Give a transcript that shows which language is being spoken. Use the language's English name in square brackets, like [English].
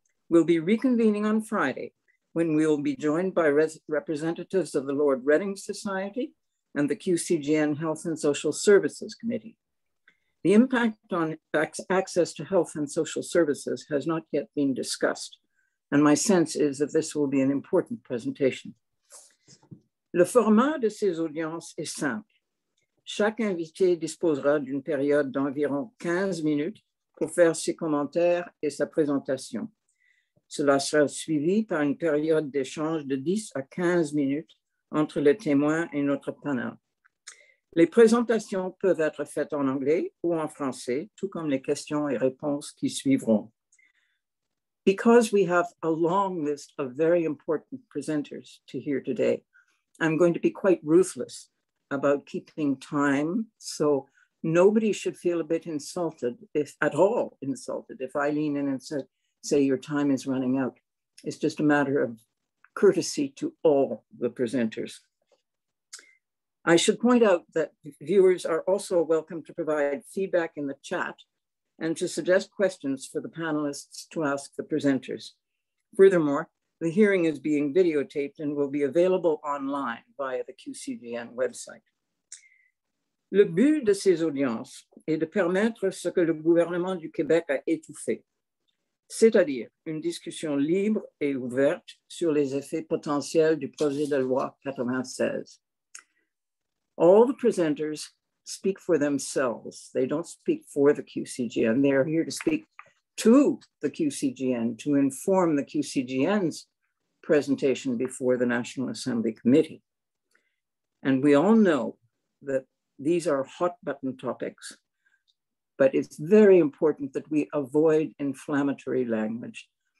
[English] We'll be reconvening on Friday when we will be joined by representatives of the Lord Reading Society and the QCGN Health and Social Services Committee. The impact on access to health and social services has not yet been discussed, and my sense is that this will be an important presentation. [French] Le format de ces audiences est simple. Chaque invité disposera d'une période d'environ 15 minutes pour faire ses commentaires et sa présentation. Cela sera suivi par une période d'échange de 10 à 15 minutes entre les témoins et notre panel. Les présentations peuvent être faites en anglais ou en français, tout comme les questions et réponses qui suivront. [English] Because we have a long list of very important presenters to hear today, I'm going to be quite ruthless about keeping time, so nobody should feel a bit insulted, if at all insulted, if I lean in and say your time is running out. It's just a matter of courtesy to all the presenters. I should point out that viewers are also welcome to provide feedback in the chat and to suggest questions for the panelists to ask the presenters. Furthermore, the hearing is being videotaped and will be available online via the QCGN website. [French] Le but de ces audiences est de permettre ce que le gouvernement du Québec a étouffé, c'est-à-dire une discussion libre et ouverte sur les effets potentiels du projet de loi 96. [English] All the presenters speak for themselves. They don't speak for the QCGN. They are here to speak to the QCGN, to inform the QCGN's presentation before the National Assembly Committee. And we all know that these are hot button topics, but it's very important that we avoid inflammatory language.